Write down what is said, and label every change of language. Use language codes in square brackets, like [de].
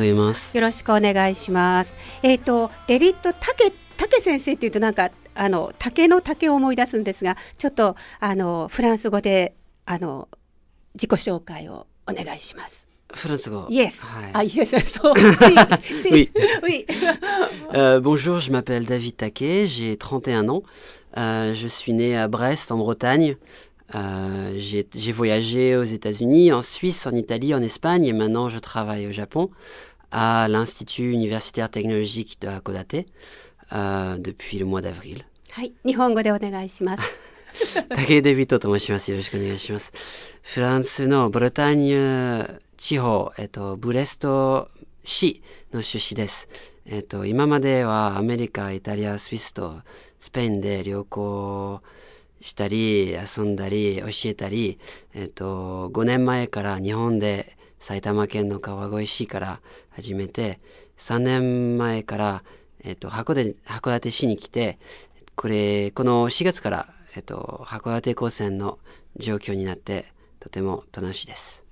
[ja] おはようございます。よろしくお願いします。デビッド・タケ先生というとなんか竹の竹を思い出すんですが、ちょっとフランス語で自己紹介をお願いします。フランス語。 [en] Yes. Ah, yes. So, si. [fr] Oui. Oui. Bonjour, je m'appelle David Taquet, j'ai 31 ans. Je suis né à Brest, en Bretagne. J'ai voyagé aux États-Unis, en Suisse, en Italie, en Espagne, et maintenant je travaille au Japon, à l'Institut universitaire technologique de Hakodate, depuis le mois d'avril. Oui, [ja] 日本語でお願いします。タケ・デビッドと申します。よろしくお願いします。フランスのブルターニュ地方、ブレスト市の出身です。今まではアメリカ、イタリア、スイスとスペインで旅行したり、遊んだり、教えたり、5年前から日本で埼玉県の川越市から始めて、3年前から、函館市に来て、この4月から、函館高専の状況になってとても楽しいです。